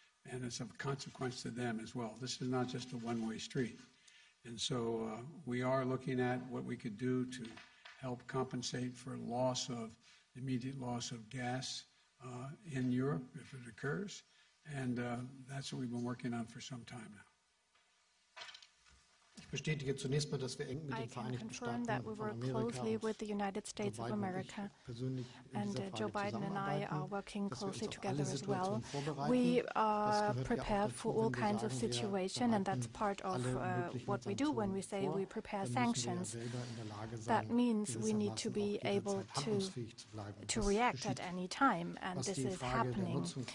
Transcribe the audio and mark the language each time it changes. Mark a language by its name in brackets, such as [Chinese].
[English] And it's of consequence to them as well. This is not just a one-way street. And so we are looking at what we could do to help compensate for loss of immediate loss of gas in Europe if it occurs. And that's what we've been working on for some time now. [German] Ich bestätige zunächst mal, dass wir eng mit den Vereinigten Staaten von Amerika und persönlich [English] and Joe Biden and I are working closely together as well. We are prepared for all kinds of situations, and that's part of what we do when we say we prepare sanctions. That means we need to be able to react at any time, and this is happening.